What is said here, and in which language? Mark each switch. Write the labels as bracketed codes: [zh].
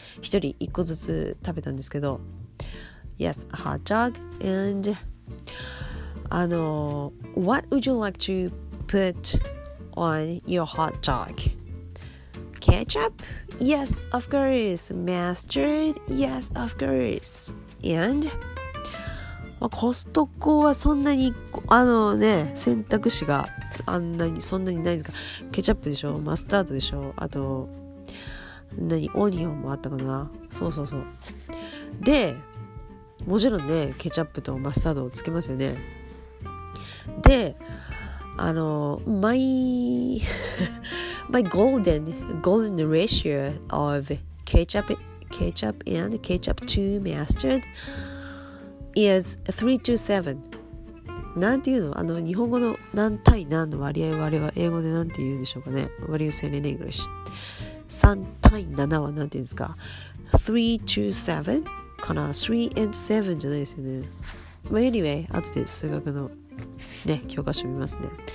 [ja] 一人一個ずつ食べたんですけど。 [en] Yes, a hot dog. And [ja] あの、 [en] What would you like toput on your hot dog? Ketchup? Yes, of course. Mustard? Yes, of course. And? [ja] まあ、コストコはそんなに、あのね、選択肢が、あんなに、そんなにないですか。ケチャップでしょ、マスタードでしょ、あと、何、オニオンもあったかな。そうそうそう。で、もちろんね、ケチャップとマスタードをつけますよね。で、あの、my [en] golden ratio of ketchup and ketchup to mustard is 3-7. [ja] なんていうの、あの日本語の何対何の割合割は英語でなんて言うんでしょうかね。 [en] What do you say in English? [ja] 3対7はなんて言うんですか。 3-7 かな。3-7 じゃないですよね。 [en] Well, anyway, [ja] 後で数学のね、教科書見ますね。